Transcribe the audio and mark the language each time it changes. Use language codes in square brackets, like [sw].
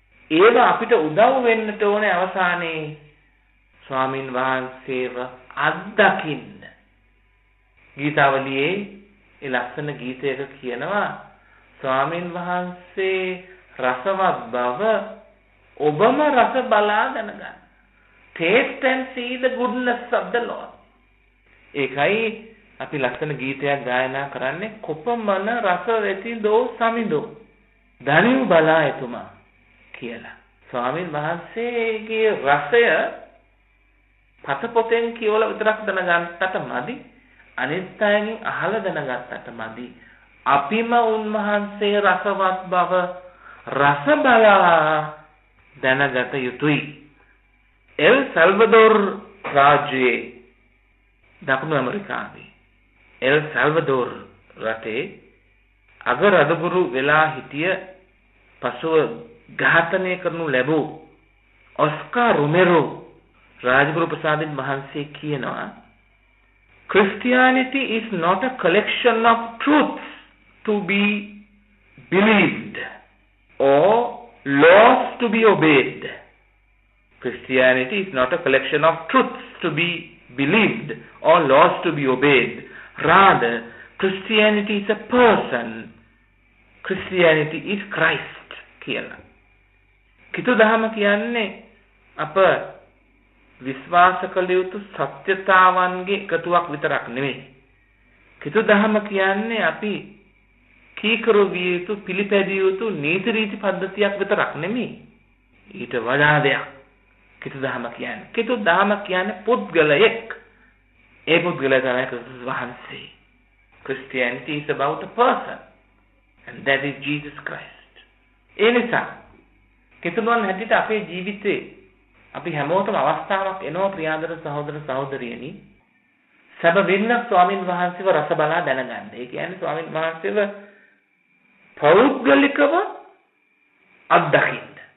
[si] ඒව අපිට උදව් වෙන්නට ඕනේ අවසානයේ ස්වාමීන් වහන්සේව අත්දකින්න. ගීතාවලියේ ඒ ලස්සන ගීතයක කියනවා ස්වාමීන් වහන්සේ රසවත් බව ඔබම රස බලා දැනගන්න. [en] Taste and see the goodness of the Lord. [si] ඒකයි අපි ලස්සන ගීතයක් ගායනා කරන්නේ කොපමණ රස වෙතිදෝ සමිදෝ දනිව් බලා එතුමා කියලා. ස්වාමීන් වහන්සේගේ රසය පත පොතෙන් කියවලා විතරක් දැනගත්තට මදි, අනිත් අයගෙන් අහලා දැනගත්තට මදි. අපිම උන්වහන්සේ රසවත් බව රස බලා දැනගත යුතුයි. එල් සල්වදෝර් රාජ්‍යයේ දකුණු ඇමරිකාවේ එල් සල්වදෝර් රටේ අගරදුගුරු වෙලා හිටිය පසුව ඝාතනය කරනු ලැබූ ඔස්කා රුමෙරෝ රාජගුරු ප්‍රසාදින් වහන්සේ කියනවා, [en] Christianity is not a collection of truths to be believed or laws to be obeyed. Christianity is not a collection of truths to be believed or laws to be obeyed. Rather, Christianity is a person. Christianity is Christ. [si] කියලා. කිතු දහම කියන්නේ අප විශ්වාස කළ යුතු සත්‍යතාවන්ගේ එකතුවක් විතරක් නෙමෙයි. කිතු දහම කියන්නේ අපි කීකරු විය යුතු පිළිපැදිය යුතු නීති රීති පද්ධතියක් විතරක් නෙමෙයි. ඊට වඩා දෙයක් කිතු දහම කියන්නේ. කිතු දහම කියන්නේ පුද්ගලයෙක්. ඒ පුද්ගලයා තමයි ක්‍රිස්තුස් වහන්සේ. [en] Christianity is about a person. And that is Jesus Christ. [si] ඒ නිසා කිතුනුවන් හැටියට අපේ ජීවිතේ අපි හැමෝටම අවස්ථාවක් එනවා ප්‍රියාදර සහෝදර සහෝදරියනි සැබවින්න ස්වාමින් වහන්සේව රස බලා දැනගන්න. ඒ කියන්නේ ස්වාමින් වහන්සේව පෞද්ගලිකව අත්දකින්න.